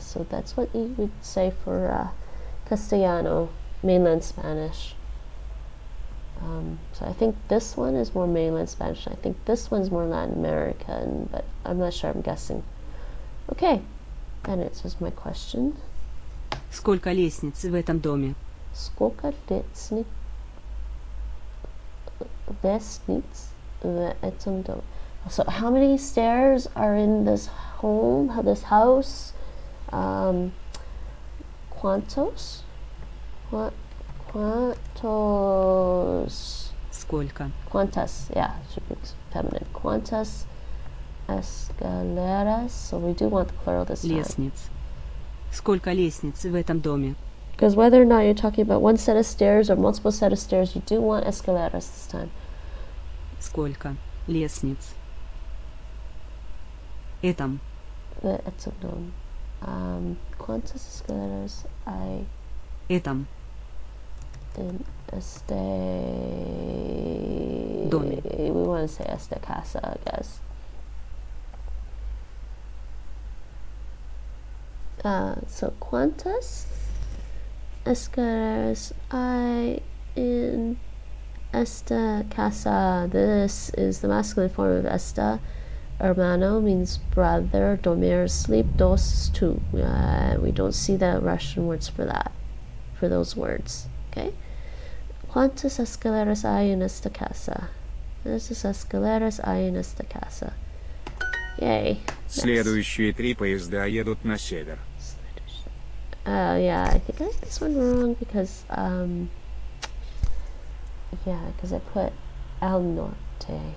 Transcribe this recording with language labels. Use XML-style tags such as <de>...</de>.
<en>So that's what you would say for Castellano, mainland Spanish. So I think this one is more mainland Spanish. I think this one's more Latin American, but I'm not sure. I'm guessing. Okay, that answers my question.</en> <ru>Сколько лестниц в этом доме? Сколько лестниц в этом доме?</ru> <en>So how many stairs are in this home? This house? Cuántos?</en> <es>Cuántos?</es> <ru>Сколько?</ru> <en>Cuántas, yeah, should be feminine.</en> <es>Cuántas escaleras?</es> <en>So we do want the plural this time.</en> <ru>Лестниц. Сколько лестниц в этом доме?</ru> <en>Because whether or not you're talking about one set of stairs or multiple set of stairs, you do want escaleras this time.</en> <ru>Сколько лестниц? Этом. В этом доме.</ru> <es>Cuántas escaleras hay?</es> <ru>Этом.</ru> <en>In este Domi. We want to say</en> <es>esta casa,</es> <en>I guess. So</en> <es>cuántas escaleras hay en esta casa?</es> <en>This is the masculine form of esta. Hermano means brother. Dormir, sleep. Dos is two. We don't see the Russian words for that, for those words.</en> <es>Okay. ¿Cuántas escaleras hay en esta casa? ¿Cuántas escaleras hay en esta casa? Yay. Nice.</es> <ru>Следующие три поезда едут на север.</ru> <en>Oh, yeah. I think I got this one wrong because, because I put</en> <es>al norte.</es>